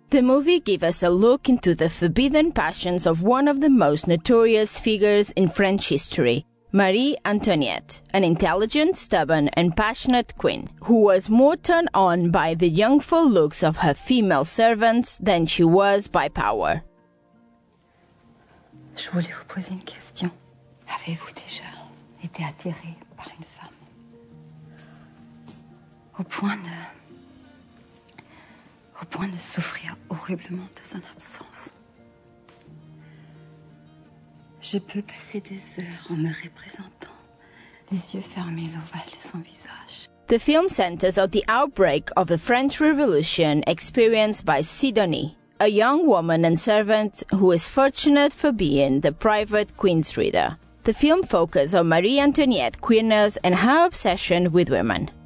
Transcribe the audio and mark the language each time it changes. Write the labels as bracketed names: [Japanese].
[English] The movie gives us a look into the forbidden passions of one of the most notorious figures in French history, Marie Antoinette, an intelligent, stubborn, and passionate queen, who was more turned on by the youthful looks of her female servants than she was by power. [French] Je voulais vous poser une question. Avez-vous déjà été attiré par une femme? Au point de souffrir horriblement de son absence. Je peux passer des heures en me représentant, les yeux fermés, l'ovale de son visage. [English] The film centers on the outbreak of the French Revolution experienced by Sidonie, a young woman and servant who is fortunate for being the private queen's reader. The film focuses on Marie Antoinette's queerness and her obsession with women.